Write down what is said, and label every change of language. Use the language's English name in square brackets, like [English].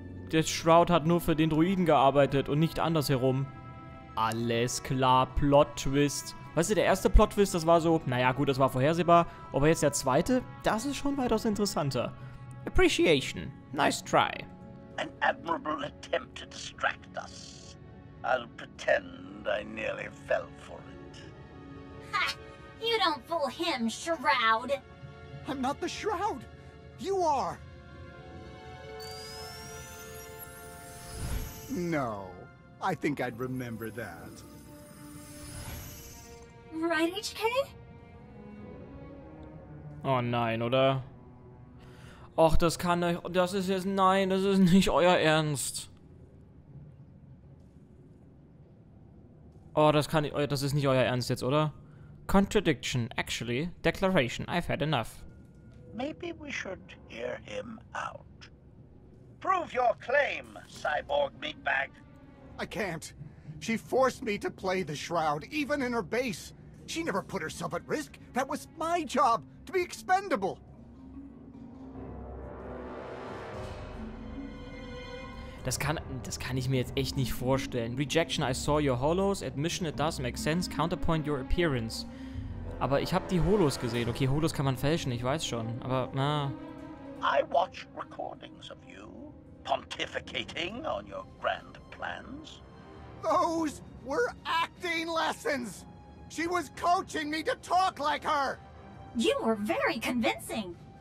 [German] Der Shroud hat nur für den Druiden gearbeitet und nicht andersherum. Alles klar, Plot-Twist. Weißt du, der erste Plot-Twist, das war so, naja gut, das war vorhersehbar. Aber jetzt der zweite, das ist schon weitaus interessanter. [English] Appreciation. Nice try. An admirable attempt to distract us. I'll pretend I nearly fell for it. Ha! You don't fool him, Shroud! I'm not the Shroud! You are! No. I think I'd remember that. Right, HK? [German] Oh nein, oder? Och, das kann euch. Das ist jetzt. Nein, das ist nicht euer Ernst. Oh, das kann. Das ist nicht euer Ernst jetzt, oder? [English] Contradiction, actually. Declaration, I've had enough. Maybe we should hear him out. Prove your claim, cyborg meatbag. I can't. She forced me to play the Shroud, even in her base. She never put herself at risk. That was my job, to be expendable. [German] Das kann ich mir jetzt echt nicht vorstellen. [English] Rejection, I saw your holos. Admission, it does make sense. Counterpoint, your appearance. [German] Aber ich habe die Holos gesehen. Okay, Holos kann man fälschen, ich weiß schon. Aber, na. [English] I watch recordings of you pontificating on your grand plans. Those were acting lessons. She was coaching me to talk like her. You were very convincing.